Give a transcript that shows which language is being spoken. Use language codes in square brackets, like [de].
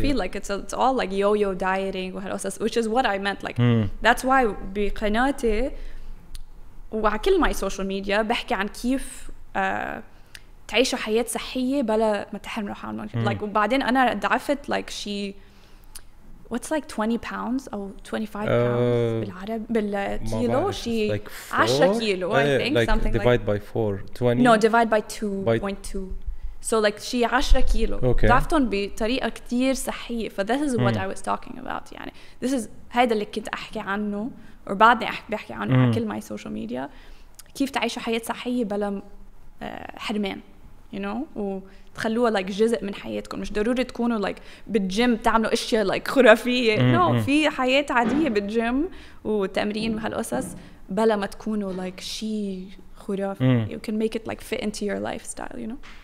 [en] I feel like it's all like yo-yo dieting وهالأساس which is what I meant like that's why بقناتي وعلى كل my social media [ar] بحكي عن كيف تعيشوا حياة صحية بلا ما تحرموا حالكم [en] like [ar] وبعدين أنا ضعفت [en] like she what's like 20 pounds أو 25 pounds [ar] بالعرب بالكيلو شي like [en] 10 كيلو I think like something divide like divide by 4 no divide by 2.2 so like [ar] شي 10 كيلو [en] okay. [ar] ضعفتهم بطريقة كتير صحية ف [en] this is what I was talking about [ar] يعني this is هيدا اللي كنت أحكي عنه وبعدني بحكي عنه على كل ماي سوشيال ميديا كيف تعيشوا حياة صحية بلا حرمان you know وتخلوها like جزء من حياتكم مش ضروري تكونوا like بالجيم تعملوا اشياء like خرافية no في حياة عادية بالجيم وتمرين وهالأساس بلا ما تكونوا like شيء خرافي [en] you can make it like fit into your lifestyle you know